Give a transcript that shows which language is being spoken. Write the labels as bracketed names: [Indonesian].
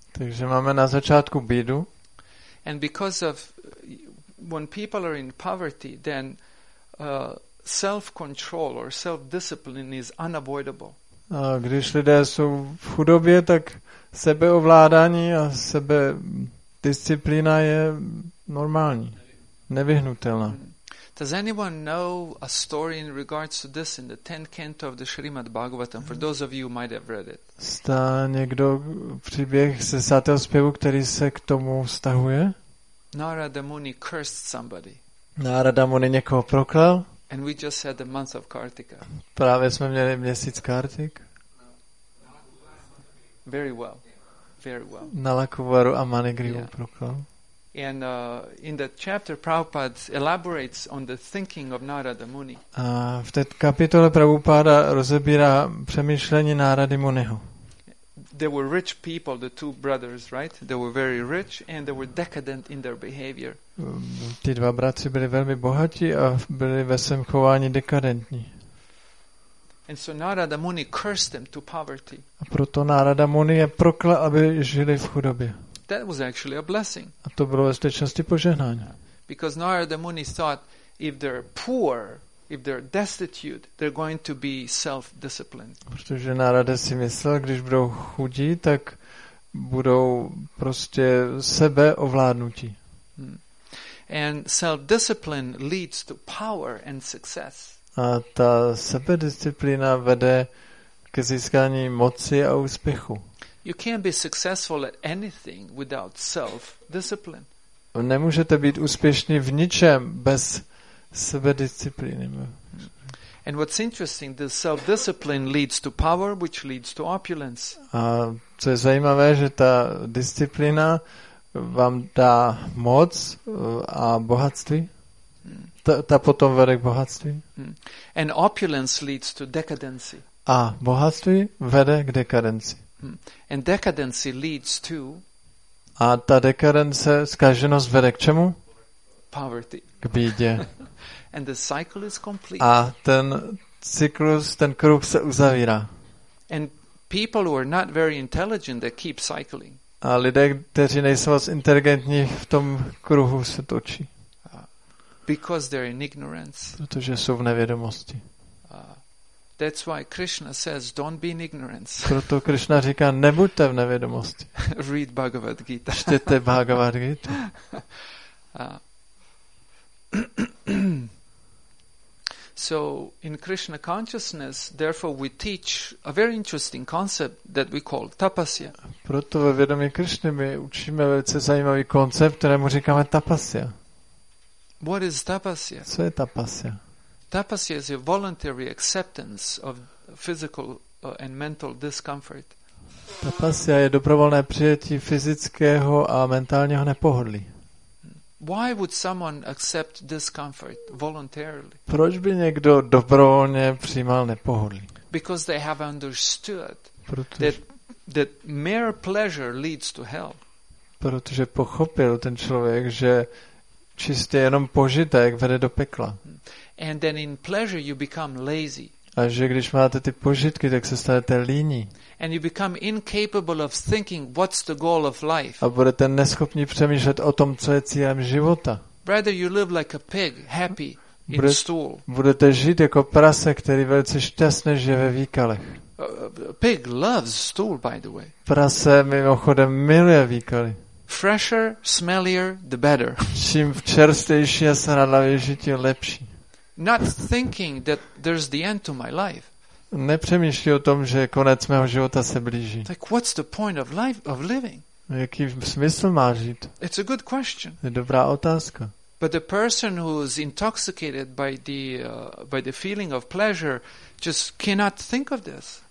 [Czech] Takže máme na začátku bídu. [English] And because of when people are in poverty, then self-control or self-discipline is unavoidable. [Czech] A když lidé jsou v chudobě, tak sebeovládání a sebe disciplína je normální, nevyhnutelná. [English] Does anyone know a story in regards to this in the 10th canto of the Srimad Bhagavatam? For those of you who might have read it. [Czech] Zná někdo příběh ze sátého zpěvu, který se k tomu vztahuje? [English] Narada Muni cursed somebody. [Czech] Narada Muni někoho proklal? [English] And we just had the month of Kartika. [Czech] Právě jsme měli měsíc Kartik. [English] Very well. Very well. [Czech] Nalakuvaru a Manigriva proklal. [English] And in that chapter Prabhupada elaborates on the thinking of Narada Muni. [Czech] A v té kapitole Prabhupada rozebírá přemýšlení Narady Muniho. [English] They were rich people, the two brothers, right? They were very rich and they were decadent in their behavior. [Czech] Ty dva bratři byli velmi bohatí a byli ve svém chování dekadentní. [English] And so Narada Muni cursed them to poverty. [Czech] A proto Narada Muni je proklal, aby žili v chudobě. [English] That was actually a blessing. [Czech] A to bylo ve skutečnosti požehnání. [English] Because Narada Muni thought if they're poor, if they're destitute, they're going to be self-disciplined. [Czech] Protože Narada si myslel, když budou chudí, tak budou prostě sebeovládnutí. [English] And self-discipline leads to power and success. [Czech] A ta sebedisciplína vede ke získání moci a úspěchu. [English] You can't be successful at anything without self-discipline. [Czech] Nemůžete být úspěšní v ničem bez sebedisciplíny. [English] And what's interesting, the self-discipline leads to power, which leads to opulence. [Czech] A co je zajímavé, že ta disciplína vám dá moc a bohatství. Ta potom vede k bohatství. [English] And opulence leads to decadency. [Czech] A bohatství vede k dekadenci. [English] And decadency leads to. [Czech] A ta dekadence, zkaženost vede k čemu? [English] Poverty. [Czech] K bídě. [English] And the cycle is complete. [Czech] A ten cyklus, ten kruh se uzavírá. [English] And people who are not very intelligent, they keep cycling. [Czech] A lidé, kteří nejsou moc inteligentní, v tom kruhu se točí. [English] Because they're in ignorance. [Czech] Protože jsou v nevědomosti. [English] That's why Krishna says, don't be in ignorance. [Czech] Proto Krishna říká, nebuďte v nevědomosti. [English] Read Bhagavad Gita. [Czech] Čtěte Bhagavad Gita. [English] So in Krishna consciousness, therefore we teach a very interesting concept that we call tapasya. [Czech] Proto ve vědomí Krishny my učíme velice zajímavý koncept, kterému říkáme tapasya. [English] What is tapasya? [Czech] Co je tapasya? [English] Tapasya is a voluntary acceptance of physical and mental discomfort. [Czech] Tapasya je dobrovolné přijetí fyzického a mentálního nepohodlí. [English] Why would someone accept discomfort voluntarily? [Czech] Proč by někdo dobrovolně přijímal nepohodlí? [English] Because they have understood that mere pleasure leads to hell. [Czech] Protože pochopil ten člověk, že čistě jenom požitek vede do pekla. [English] And then in pleasure you become lazy. [Czech] A že když máte ty požitky, tak se stanete líní. [English] And you become incapable of thinking what's the goal of life. [Czech] A budete neschopní přemýšlet o tom, co je cílem života. [English] Rather you live like a pig, happy in a stool. [Czech] Budete žít jako prase, který velice šťastně žije ve výkalech. [English] Pig loves stool, by the way. [Czech] Prase mimochodem miluje výkaly. [English] Fresher, smellier, the better. [Czech] Čím čerstvější a sranavější, tím lepší. [English] Not thinking that there's the end to my life. [Czech] Nepřemýšlí o tom, že konec mého života se blíží. [English] Like what's the point of life of living? [Czech] Jaký smysl má žít? [English] It's a good question. [Czech] Je dobrá otázka. [English] But the person who's intoxicated by the feeling of pleasure just cannot think of this.